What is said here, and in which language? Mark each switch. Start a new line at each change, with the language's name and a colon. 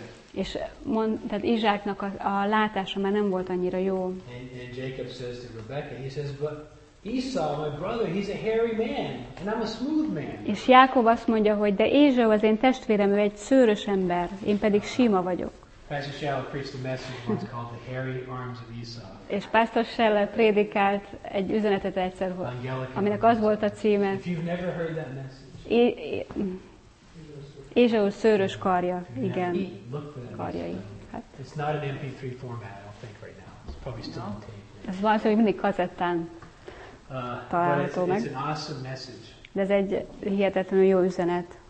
Hungarian: És mond, tehát Izsáknak a látása már nem volt annyira jó.
English: And Jacob says to Rebecca, he says, but Esau, my brother, he's a hairy man, and I'm a smooth man.
Hungarian: És Jákob azt mondja, hogy de Ézsau az én testvérem, ő egy szőrös ember, én pedig sima vagyok.
English: Pastor Shell preached a message once called the hairy arms of Esau.
Hungarian: És Pastor Shell prédikált egy üzenetet egyszer, aminek az volt a címe.
English: If you've never heard that message.
Hungarian: Ézsau szőrös karja, igen. Karjai.
English: It's not an MP3 format, I don't think right now. It's probably still on tape.
Hungarian: Ez valószínűleg mindig kazettán. Található meg.
English: It's an awesome message.
Hungarian: De ez egy hihetetlenül jó üzenet.